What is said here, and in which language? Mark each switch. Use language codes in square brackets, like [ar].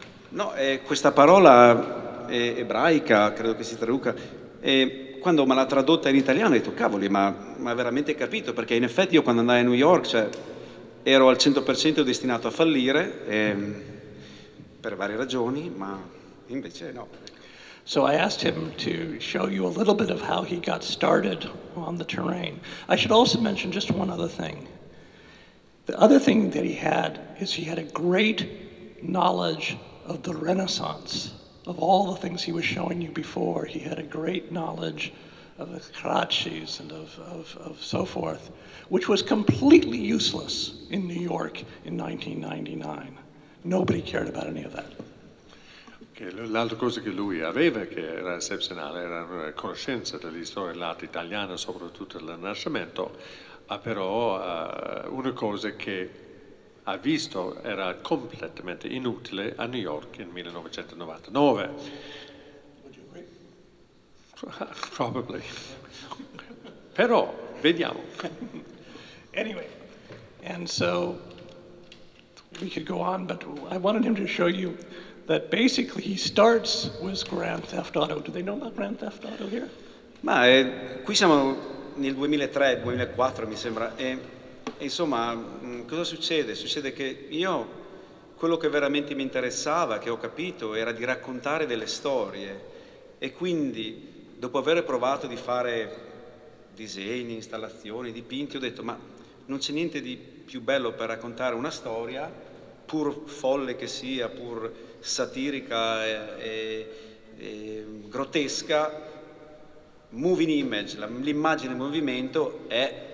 [it] No, questa parola è ebraica, credo che si traduca... Quando me l'ha tradotta in italiano ho detto, cavoli, ma hai veramente capito? Perché in effetti io quando andai a New York, cioè, ero al 100% destinato a fallire, per varie ragioni, ma invece no. [en] So I asked him to show you a little bit of how he got started on the terrain. I should also mention just one other thing. The other thing that he had is he had a great knowledge of the Renaissance. Of all the things he was showing you before, he had a great knowledge of the Karachis and of so forth, which was completely useless in New York in 1999. Nobody cared about any of that. [it] Okay, l'altra cosa che lui aveva, che era eccezionale, era una conoscenza dell'istoria dell'arte italiana, soprattutto del Rinascimento, ma però una cosa che ha visto era completamente inutile a New York in 1999. [en] Would you agree? Probably. [it] Però, vediamo. [en] Anyway, and so we could go on, but I wanted him to show you that basically he starts with Grand Theft Auto. Do they know about Grand Theft Auto here? [it] Ma qui siamo nel 2003-2004, mi sembra, insomma, cosa succede? Succede che io, quello che veramente mi interessava, che ho capito, era di raccontare delle storie. E quindi, dopo aver provato di fare disegni, installazioni, dipinti, ho detto, ma non c'è niente di più bello per raccontare una storia, pur folle che sia, pur satirica e grottesca, [en] moving image, [it] l'immagine in movimento è...